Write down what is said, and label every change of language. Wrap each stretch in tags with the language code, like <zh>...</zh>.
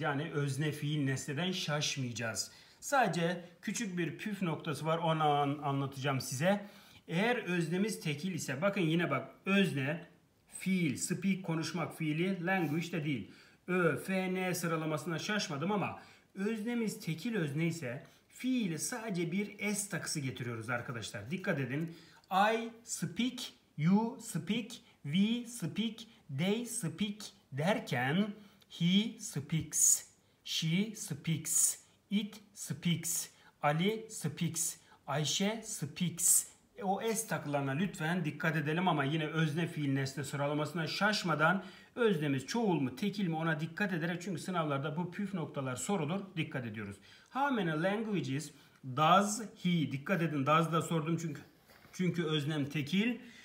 <tr>Yani özne, fiil, nesneden şaşmayacağız. Sadece küçük bir püf noktası var, onu anlatacağım size. Eğer öznemiz tekil ise, bakın yine bak, özne, fiil, speak, konuşmak fiili, language de değil. Ö, F, N sıralamasına şaşmadım ama öznemiz tekil özne ise fiili sadece bir S takısı getiriyoruz arkadaşlar. Dikkat edin.</tr> <en>I speak, you speak, we speak, they speak derken he speaks, she speaks, it speaks, Ali speaks, Ayşe speaks.</en> <tr>O S takılarına lütfen dikkat edelim ama yine özne, fiil, nesne sıralamasına şaşmadan öznemiz çoğul mu, tekil mi ona dikkat ederek, çünkü sınavlarda bu püf noktalar sorulur, dikkat ediyoruz.</tr> <en>How many languages does he,</en> <tr>dikkat edin, does da sordum çünkü öznem tekil.</tr>